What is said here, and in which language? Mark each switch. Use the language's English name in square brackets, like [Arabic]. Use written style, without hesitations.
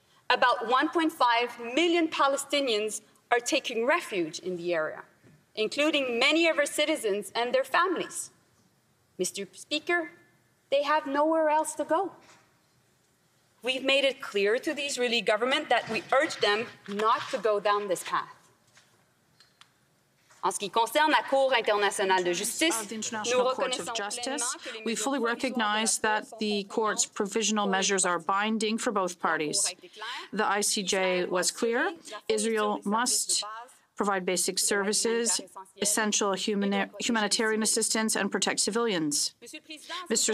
[English] About 1.5 million Palestinians are taking refuge in the area, including many of our citizens and their families. Mr. Speaker, they have nowhere else to go. We've made it clear to the Israeli government that we urge them not to go down this path. [French] En ce qui concerne la Cour internationale de justice, nous reconnaissons pleinement [English] we fully recognize that the court's provisional measures are binding for both parties. The ICJ was clear. Israel must provide basic services, essential humanitarian assistance, and protect civilians. Mr.